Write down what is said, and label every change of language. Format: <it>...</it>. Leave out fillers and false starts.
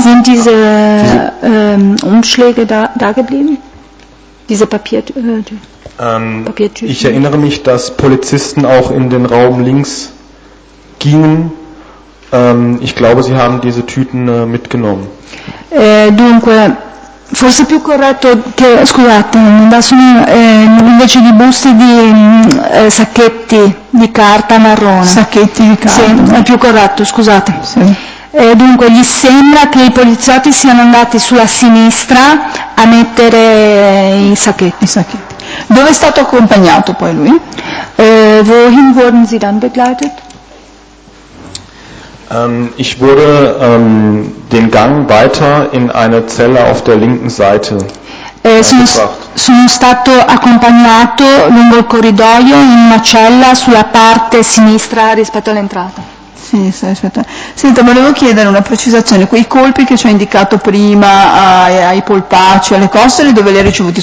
<de>Sind diese Umschläge da geblieben? Diese Papiertüten. Ich erinnere mich, dass Polizisten auch in den Raum links gingen. Ich glaube, sie haben diese Tüten mitgenommen.</de> <it>Dunque, forse più corretto che, scusate, da sono invece di buste di sacchetti di carta marrone. Sacchetti di carta. Sì, è più corretto, scusate. Sì. Dunque, gli sembra che i poliziotti siano andati sulla sinistra a mettere i sacchetti. Dove è stato accompagnato poi lui?</it> <de>Wohin wurden Sie dann begleitet? Ich wurde den Gang weiter in eine Zelle auf der linken Seite.</de> <it>sono stato accompagnato lungo il corridoio in una cella sulla parte sinistra rispetto all'entrata. Sì, sì, aspetta. Senta, volevo chiedere una precisazione. Quei colpi che ci ha indicato prima ai polpacci, alle costole, dove li ha ricevuti?</it>